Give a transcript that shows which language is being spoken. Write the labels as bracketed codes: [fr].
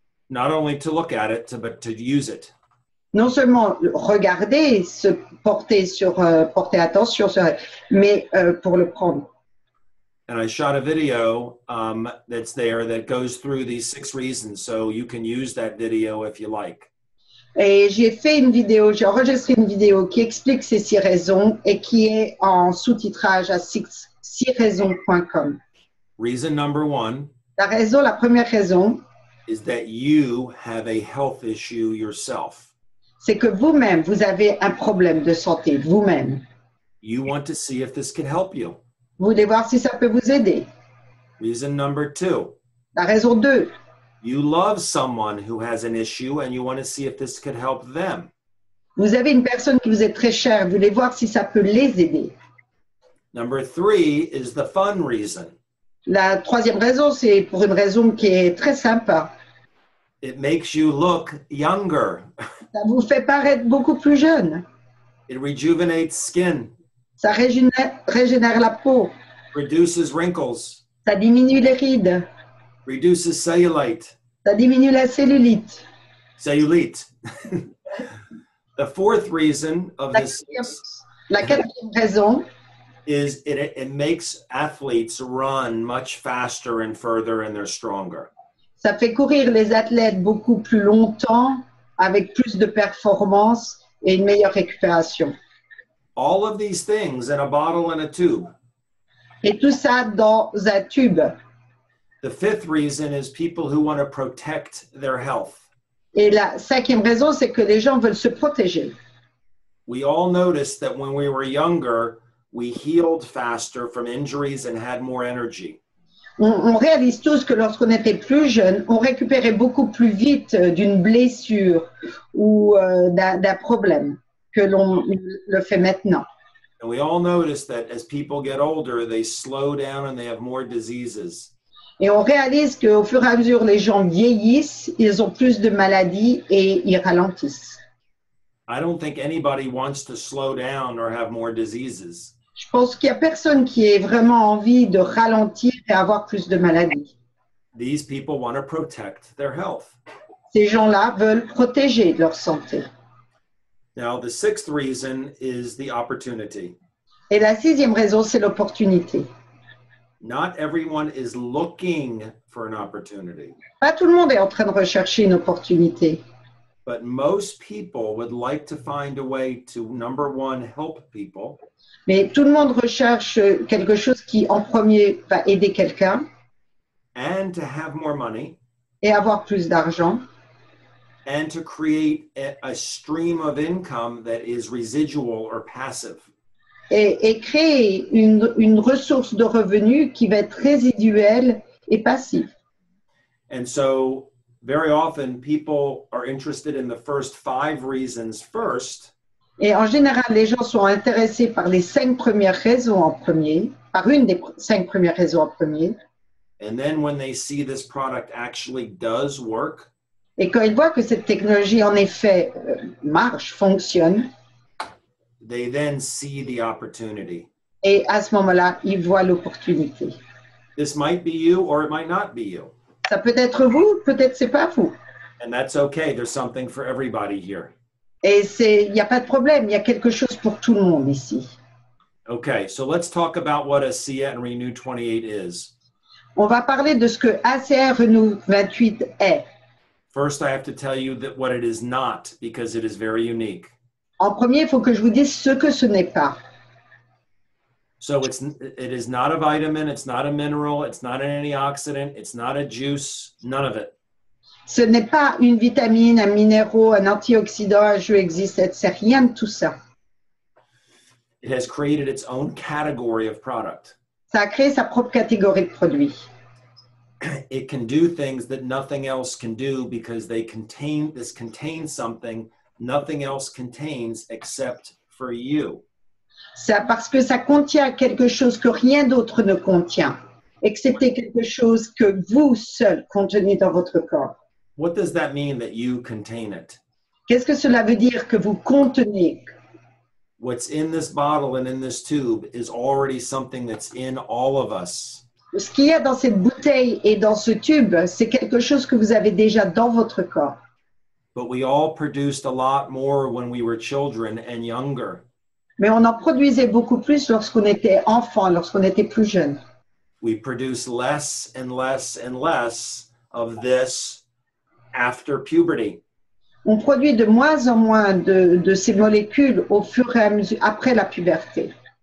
[en] Not only to look at it, but to use it. [fr] Non seulement regarder, se porter sur, porter attention sur, mais pour le prendre. [en] And I shot a video that's there that goes through these six reasons, so you can use that video if you like. [fr] Et j'ai fait une vidéo, j'ai enregistré une vidéo qui explique ces six raisons et qui est en sous-titrage à sixraisons.com. [en] Reason number one. [fr] La raison, la première raison. [en] Is that you have a health issue yourself. [fr] C'est que vous-même, vous avez un problème de santé, vous-même. [en] You want to see if this can help you. [fr] Vous voulez voir si ça peut vous aider. [en] Reason number two. [fr] La raison deux. [en] You love someone who has an issue and you want to see if this could help them. [fr] Vous avez une personne qui vous est très chère. Vous voulez voir si ça peut les aider. [en] Number three is the fun reason. [fr] La troisième raison, c'est pour une raison qui est très sympa. [en] It makes you look younger. [fr] Ça vous fait paraître beaucoup plus jeune. [en] It rejuvenates skin. [fr] Ça régénère la peau. [en] Reduces wrinkles. [fr] Ça diminue les rides. [en] Reduces cellulite. [fr] Ça diminue la cellulite. [en] Cellulite. The fourth reason of this. [fr] La quatrième raison. [en] Is it makes athletes run much faster and further and they're stronger. [fr] Ça fait courir les athlètes beaucoup plus longtemps avec plus de performance et une meilleure récupération. [en] All of these things in a bottle and a tube. [fr] Et tout ça dans un tube. [en] The fifth reason is people who want to protect their health. [fr] Et la cinquième raison, c'est que les gens veulent se protéger. [en] We all noticed that when we were younger, we healed faster from injuries and had more energy. [fr] On réalise tous que lorsqu'on était plus jeune, on récupérait beaucoup plus vite d'une blessure ou d'un problème. Que l'on le fait maintenant. [en] And we all notice that as people get older, they slow down and they have more diseases. [fr] Et on réalise qu'au fur et à mesure les gens vieillissent, ils ont plus de maladies et ils ralentissent. [en] I don't think anybody wants to slow down or have more diseases. [fr] Je pense qu'il y a personne qui ait vraiment envie de ralentir et avoir plus de maladies. [en] These people want to protect their health. [fr] Ces gens-là veulent protéger leur santé. [en] Now, the sixth reason is the opportunity. [fr] Et la sixième raison, c'est l'opportunité. [en] Not everyone is looking for an opportunity. [fr] Pas tout le monde est en train de rechercher une opportunité. [en] But most people would like to find a way to, number one, help people. [fr] Mais tout le monde recherche quelque chose qui, en premier, va aider quelqu'un. [en] And to have more money. [fr] Et avoir plus d'argent. [en] And to create a stream of income that is residual or passive. [fr] Et créer une ressource de revenus qui va être résiduelle et passive. [en] And so, very often, people are interested in the first five reasons first. [fr] Et en général, les gens sont intéressés par les cinq premières raisons en premier, par une des cinq premières raisons en premier. [en] And then when they see this product actually does work, [fr] et quand ils voient que cette technologie, en effet, marche, fonctionne, [en] they then see the opportunity. [fr] Et à ce moment-là, ils voient l'opportunité. [en] This might be you or it might not be you. [fr] Ça peut être vous, peut-être c'est pas vous. [en] And that's okay, there's something for everybody here. [fr] Et c'est, il n'y a pas de problème, il y a quelque chose pour tout le monde ici. [en] Okay, so let's talk about what ASEA and Renew 28 is. [fr] On va parler de ce que ASEA Renew 28 est. [en] First, I have to tell you that what it is not, because it is very unique. [fr] En premier, il faut que je vous dise ce que ce n'est pas. [en] So it is not a vitamin, it's not a mineral, it's not an antioxidant, it's not a juice, none of it. [fr] Ce n'est pas une vitamine, un minéraux, un antioxydant, un jus existe, c'est rien de tout ça. [en] It has created its own category of product. [fr] Ça a créé sa propre catégorie de produits. [en] It can do things that nothing else can do because they contain, this contains something nothing else contains except for you. [fr] C'est parce que ça contient quelque chose que rien d'autre ne contient, excepté quelque chose que vous seul contenez dans votre corps. [en] What does that mean that you contain it? [fr] Qu'est-ce que cela veut dire que vous contenez? [en] What's in this bottle and in this tube is already something that's in all of us. [fr] Ce qu'il y a dans cette bouteille et dans ce tube, c'est quelque chose que vous avez déjà dans votre corps. [en] But we all produced a lot more when we were children and younger. [fr] Mais on en produisait beaucoup plus lorsqu'on était enfant, lorsqu'on était plus jeune. [en] We produce less and less and less of this. After puberty, [fr] on produit de moins en moins de ces molécules au fur et à mesure après la puberté.